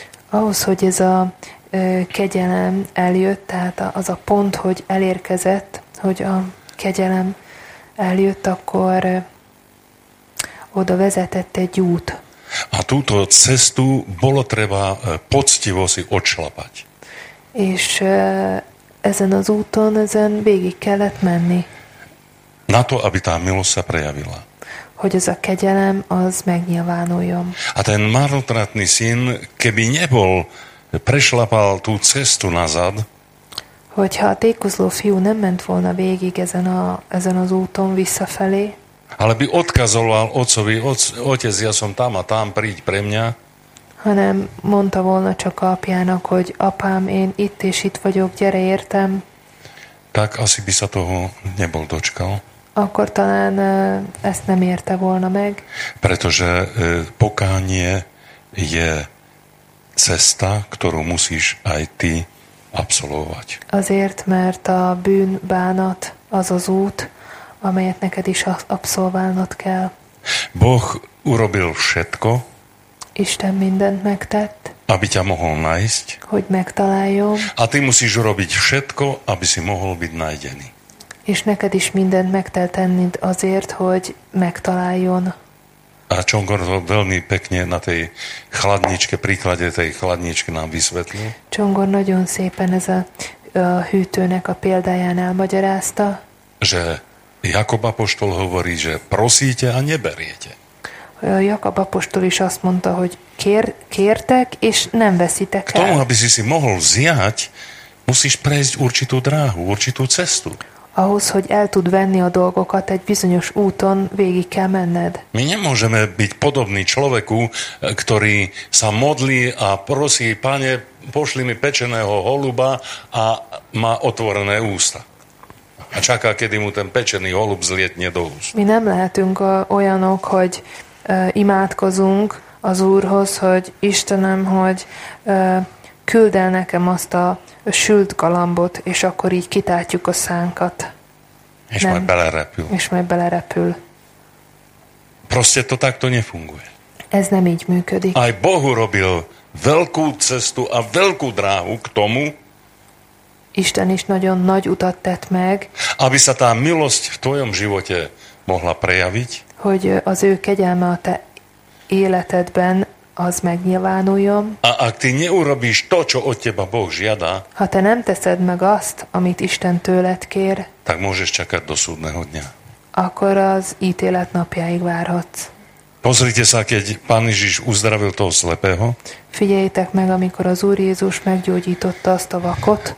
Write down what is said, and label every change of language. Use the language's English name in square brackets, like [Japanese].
[Hungarian] Ahhoz, hogy ez a kegyelem eljött, tehát az a pont, hogy elérkezett, hogy a kegyelem eljött, akkor oda vezetett egy út. [Slovak] A túto cestu bolo treba poctivo si odšlapať. [Hungarian] És ezen az úton, ezen végig kellett menni. [Slovak] Na to, aby tá milosť sa prejavila. [Hungarian] Hogy ez a kegyelem, az megnyilvánuljon. [Slovak] A ten marnotratný syn, keby nebol, prešlapal tú cestu nazad, [Hungarian] hogyha a tékozló fiú nem ment volna végig ezen az úton visszafelé, [Slovak] ale by odkazoval otcovi, otec, ja som tam a tam, príď pre mňa. [Hungarian] Hanem mondta volna csak apjának, hogy apám, én itt és itt vagyok, gyere értem. [Slovak] Tak asi by sa toho nebol dočkal. [Hungarian] Akkor talán ezt nem érte volna meg. [Slovak] Pretože pokánie je cesta, ktorú musíš aj ty absolvovať. [Hungarian] Azért, mert a bűn bánat az az út, amelyet neked is abszolválnod kell. [Slovak] Boh urobil všetko, [Hungarian] Isten mindent megtett, [Slovak] aby ťa mohol nájsť, [Hungarian] hogy megtaláljon, [Slovak] a ty musíš urobiť všetko, aby si mohol byť nájdený. [Hungarian] És neked is mindent meg kell tennid azért, hogy megtaláljon. [Slovak] A Csongor veľmi pekne na tej chladničke, príklade tej chladničke nám vysvetlil. [Hungarian] Csongor nagyon szépen ez a hűtőnek a példáján elmagyarázta, [Slovak] že Jakob apoštol hovorí, že prosíte a neberiete. [Hungarian] Jakob apoštol is azt mondta, hogy kértek, és nem veszitek el. [Slovak] K tomu, aby si si mohol vziať, musíš prejsť určitú dráhu, určitú cestu. [Hungarian] Ahhoz, hogy el tud venni a dolgokat, egy bizonyos úton végig kell menned. [Slovak] My nemôžeme byť podobný človeku, ktorý sa modlí a prosí, Pane, pošli mi pečeného holuba a má otvorené ústa. A čaká, kedy mu ten pečený holub zlietne do úst. [Hungarian] My nem lehetünk olyanok, hogy imádkozunk az Úrhoz, hogy Istenem, hogy küld el nekem azt a sült galambot, és akkor így kitátjuk a szánkat. És nem. Majd belerepül. És majd belerepül. [Slovak] Proste to takto nefunguje. [Hungarian] Ez nem így működik. [Slovak] Aj Bohu robil veľkú cestu a veľkú dráhu k tomu, [Hungarian] Isten is nagyon nagy utat tett meg, [Slovak] aby sa tá milosť v tvojom živote mohla prejaviť, [Hungarian] hogy az ő kegyelme a te életedben az megnyilvánuljon. [Slovak] A ak ty neurobíš to, čo od teba Boh žiada, [Hungarian] ha te nem teszed meg azt, amit Isten tőled kér, [Slovak] tak môžeš čakať do súdneho dňa. [Hungarian] Akkor az ítélet napjáig várhatsz. [Slovak] Pozrite sa, keď Pán Ježiš uzdravil toho slepého. [Hungarian] Figyeljétek meg, amikor az Úr Jézus meggyógyította azt a vakot.